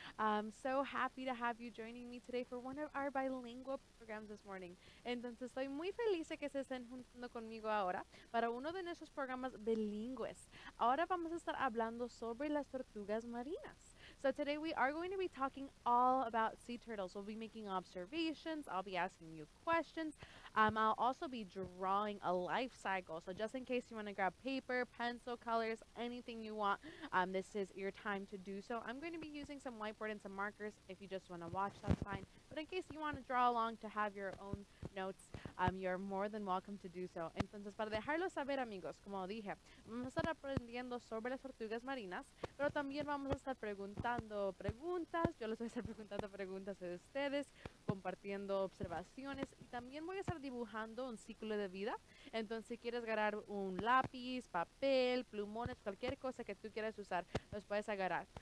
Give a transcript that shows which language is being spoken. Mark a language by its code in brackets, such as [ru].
[en] I'm so happy to have you joining me today for one of our bilingual programs this morning. [es] Entonces, estoy muy feliz de que se estén juntando conmigo ahora para uno de nuestros programas bilingües. Ahora vamos a estar hablando sobre las tortugas marinas. [en] So today we are going to be talking all about sea turtles. We'll be making observations. I'll be asking you questions. I'll also be drawing a life cycle. So just in case you want to grab paper, pencil, colors, anything you want, this is your time to do so. I'm going to be using some whiteboard and some markers. If you just want to watch, that's fine. But in case you want to draw along to have your own notes, you're more than welcome to do so. [es] Entonces, para dejarlo saber, amigos, como dije, vamos a estar aprendiendo sobre las tortugas marinas, pero también vamos a estar preguntando preguntas. Yo les voy a estar preguntando preguntas a ustedes, compartiendo observaciones, y también voy a estar dibujando un ciclo de vida. Entonces, si quieres agarrar un lápiz, papel, plumones, cualquier cosa que tú quieras usar, los puedes agarrar.